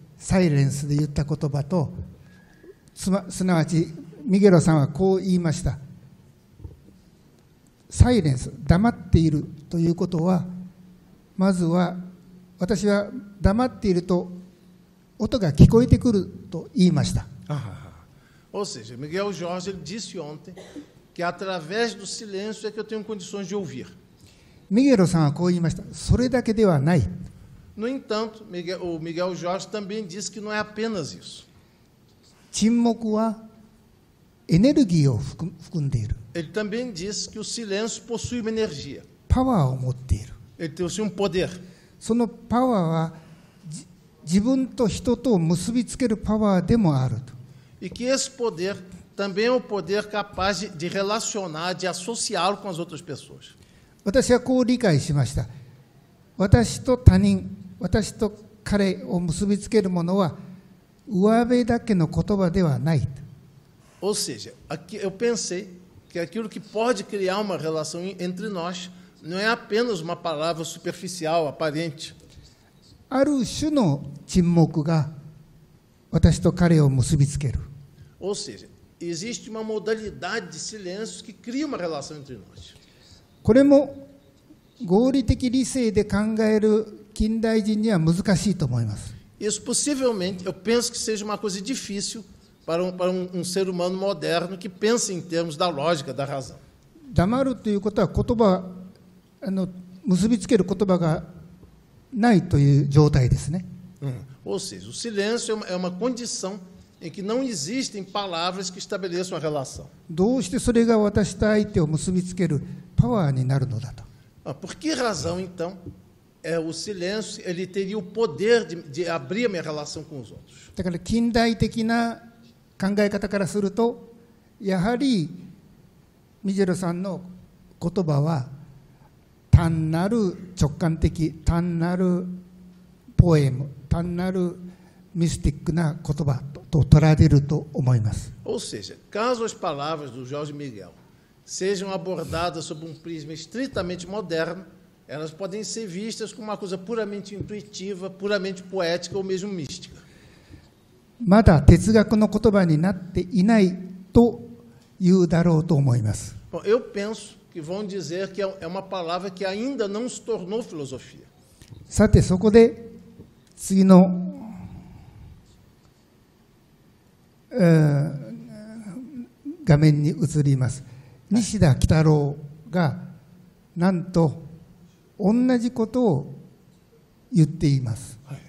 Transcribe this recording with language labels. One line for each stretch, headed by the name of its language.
Japanese: サイレンスで言った言葉と、すなわちミゲロさんはこう言いました。サイレンス、黙っているということは、まずは私は黙っていると音が聞こえてくると言いました。
Portuguese: Ou seja, Miguel Jorge disse ontem que através do silêncio é que eu tenho condições de ouvir.
Japanese: ミゲロさんはこう言いました。それだけではない。
Portuguese: No entanto, o Miguel Jorge também disse que não é apenas isso.
Japanese: 沈黙はエネルギーを含んでいる。
Portuguese: Ele também disse que o silêncio possui uma energia.
Japanese: パワーを持っている。
Portuguese: Ele tem um poder.
Japanese: そのパワーは自分と人とを結びつけるパワーでもあると。
Portuguese: E que esse poder também é um poder capaz de relacionar, de associá-lo com as outras pessoas.
Japanese: 私はこう理解しました。私と他人、私と彼を結びつけるものは上辺だけの言葉ではない。
Portuguese: Ou seja, eu pensei que aquilo que pode criar uma relação entre nós não é apenas uma palavra superficial, aparente.
Japanese: ある種の沈黙が私と彼を結びつける。
Portuguese: Ou seja, existe uma modalidade de silêncio que cria uma relação entre nós.
Japanese: これも合理的理性で考える近代人には難しいと思います。
Portuguese: Isso possivelmente, eu penso que seja uma coisa difícil para um ser humano moderno que pense em termos da lógica, da razão.
Japanese: 黙るということは言葉、結びつける言葉がないという状態ですね。
Portuguese: Ou seja, o silêncio é uma condição em que não existem palavras que estabeleçam a relação.
Japanese: どうしてそれが私と相手を結びつけるパワーになるのだと。
Portuguese: Por que razão, então, é o silêncio ele teria o poder de abrir a minha relação com os outros?
Japanese: だから近代的な考え方からすると、やはり、ミジェロさんの言葉は、単なる直感的、単なるポエム、単なるミスティックな言葉と捉えると思います。
Portuguese: Ou seja, caso as palavras do Jorge Miguel sejam abordadas sob um prisma estritamente moderno, elas podem ser vistas como uma coisa puramente intuitiva, puramente poética ou mesmo mística.
Japanese: Mada, 哲学の言葉になっていないと言うだろうと思います。
Portuguese: Bom, eu penso que vão dizer que é uma palavra que ainda não se tornou filosofia. Sabe, só que o
Japanese: Nishida Kitaro, nanto, onnaji koto o yutte imasu.